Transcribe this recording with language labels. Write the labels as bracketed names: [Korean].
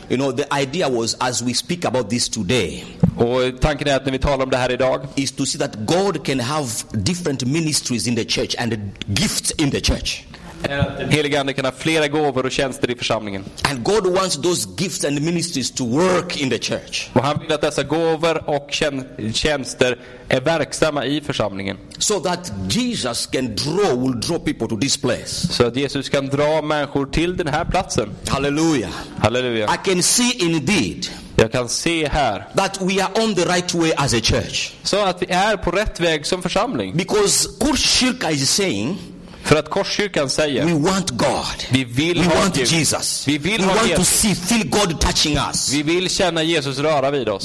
[English] You know the idea was as we speak about this today. [Swedish] Och tanken är att när vi talar om det här idag [English] is to see that God can have different ministries in the church and gifts in the church. [Swedish] Helige ande kan ha flera gåvor och tjänster i församlingen. [English] And God wants those gifts and ministries to work in the church. [Swedish] Och han vill att dessa gåvor och tjänster är verksamma i församlingen. [English] So that Jesus can will draw people to this place. [Swedish] Så att Jesus kan dra människor till den här platsen. [English] Halleluja. [Swedish] Halleluja. [English] I can see indeed. [Swedish] Jag kan se här [English] that we are on the right way as a church. [Swedish] Så att vi är på rätt väg som församling. [English] Because Korskyrka is saying, [Swedish] för att Korskyrkan säger, [English] we want God. [Swedish] Vi vill [English] we [Swedish] ha [English] want [Swedish] Gud. [English] Jesus. [Swedish] Vi vill [English] we [Swedish] ha [English] want [Swedish] Jesus. [English] To see feel God touching us. [Swedish] Vi vill känna Jesus röra vid oss.